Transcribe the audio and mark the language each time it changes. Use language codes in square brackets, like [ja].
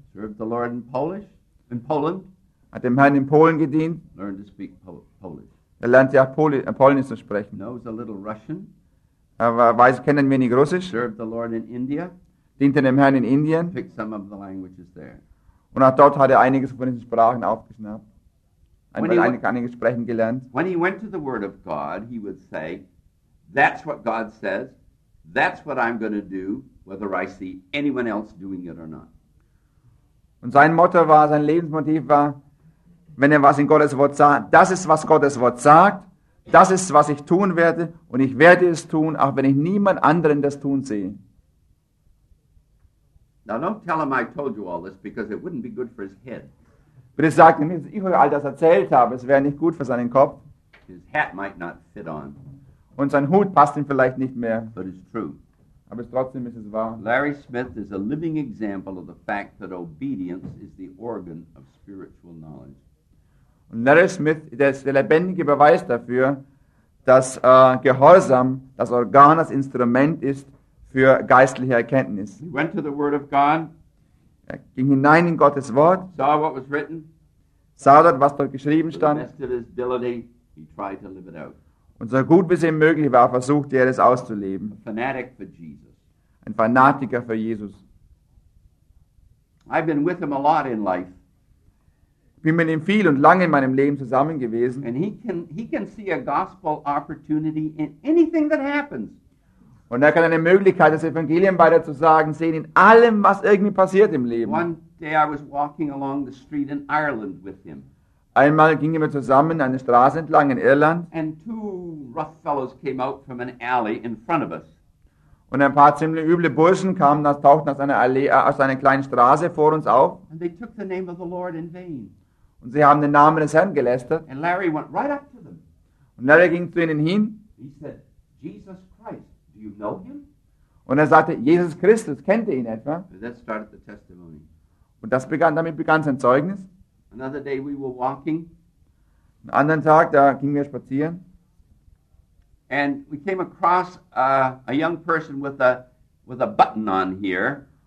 [en] Served the Lord in Polish, in Poland. [de] Hat dem Herrn in Polen gedient. [en] Learned to speak Polish. [de] Er lernte auch Polnisch zu sprechen. [en] Knows a little Russian. [de] Kennt ein wenig Russisch. [en] Served the Lord in India. [de] Diente dem Herrn in Indien. [en] Picked some of the languages there. [de] Und auch dort hat er einiges von den Sprachen aufgeschnappt. Einiges sprechen gelernt. [en] When he went to the Word of God, he would say, that's what God says, that's what I'm going to do, whether I see anyone else doing it or not. [de] Und sein Motto war, sein Lebensmotiv war, wenn er was in Gottes Wort sagt, das ist, was Gottes Wort sagt, das ist, was ich tun werde, und ich werde es tun, auch wenn ich niemand anderen das tun sehe. [en] Now don't tell him I told you all this because it wouldn't be good for his head. [de] Bitte sag ihm, dass ich all das erzählt habe, es wäre nicht gut für seinen Kopf. [en] His hat might not fit on. [de] Und sein Hut passt ihm vielleicht nicht mehr. [en] But it's true. [de] Aber trotzdem ist es wahr. [en] Larry Smith is a living example of the fact that obedience is the organ of spiritual knowledge. [de] Und Larry Smith, der ist der lebendige Beweis dafür, dass Gehorsam das Organ, das Instrument ist, für geistliche Erkenntnis. [en] He went to the Word of God. [de] Er ging hinein in Gottes Wort. [en] Saw what was written. [de] Sah dort, was dort geschrieben stand. [en] To the best of his ability, he tried to live it out. [de] Und so gut wie es ihm möglich war, versuchte er es auszuleben. [en] A fanatic for Jesus. [de] Ein Fanatiker für Jesus. [en] I've been with him a lot in life. [de] Ich bin mit ihm viel und lange in meinem Leben zusammen gewesen. [en] And he can see a gospel opportunity in anything that happens. [de] Und er kann eine Möglichkeit, das Evangelium weiterzusagen, sehen in allem, was irgendwie passiert im Leben. [en] One day I was walking along the street in Ireland with him. [de] Einmal gingen wir zusammen eine Straße entlang in Irland. [en] And two rough fellows came out from an alley in front of us. [de] Und ein paar ziemlich üble Burschen tauchten aus einer Allee, aus einer kleinen Straße vor uns auf. [en] And they took the name of the Lord in vain. [de] Und sie haben den Namen des Herrn gelästert. [en] And Larry went right up to them. [de] Und Larry ging zu ihnen hin. [en] He said, Jesus Christ. You know him? [de] Und er sagte, Jesus Christus, kennt ihr ihn etwa? [en] That started the testimony. [de] Und damit begann sein Zeugnis. [en] Another day we were walking. [de] Einen anderen Tag, da gingen wir spazieren. [en] And we came across a young person with a button on here.